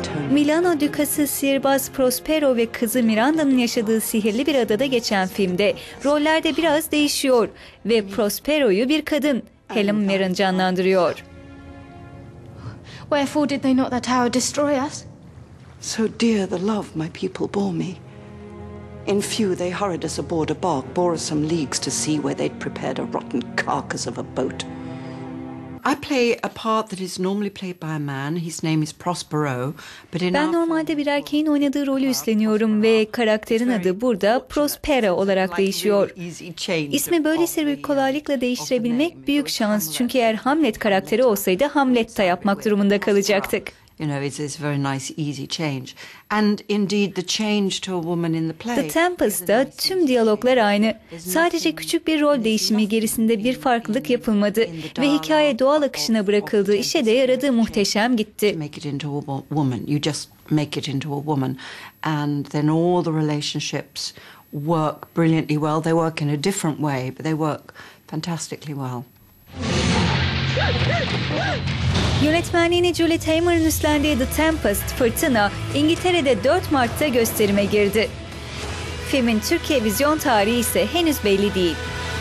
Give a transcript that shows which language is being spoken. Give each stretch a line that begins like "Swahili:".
Turkish: Milano Dükası Sihirbaz Prospero ve kızı Miranda'nın yaşadığı sihirli bir adada geçen filmde roller de biraz değişiyor ve Prospero'yu bir kadın, Helen Mirren canlandırıyor.
English: Wherefore did they not that hour destroy us? So dear the love my people bore me. In few they hurried us aboard a bark, bore us some leagues to sea where they'd prepared a rotten carcass of a boat. I play a part that is normally played by a man. His name is Prospero.
Turkish: Ben normalde bir erkeğin oynadığı rolü üstleniyorum ve karakterin adı burada Prospero olarak değişiyor. İsmi böylesi bir kolaylıkla değiştirebilmek büyük şans. Çünkü eğer Hamlet karakteri olsaydı Hamlet'ta yapmak durumunda kalacaktık.
English: You know, it's a very nice, easy change. And indeed, the change to a woman in the play.
Turkish: The Tempest'ta tüm diyaloglar aynı. Sadece küçük bir rol değişimi, gerisinde bir farklılık yapılmadı ve hikaye doğal akışına bırakıldı. İşe de yaradı, muhteşem gitti.
English: Make it into a woman. You just make it into a woman, and then all the relationships work brilliantly well. They work in a different way, but they work fantastically well.
Turkish: Yönetmenliğini Julie Taymor'ın üstlendiği The Tempest, Fırtına, İngiltere'de 4 Mart'ta gösterime girdi. Filmin Türkiye vizyon tarihi ise henüz belli değil.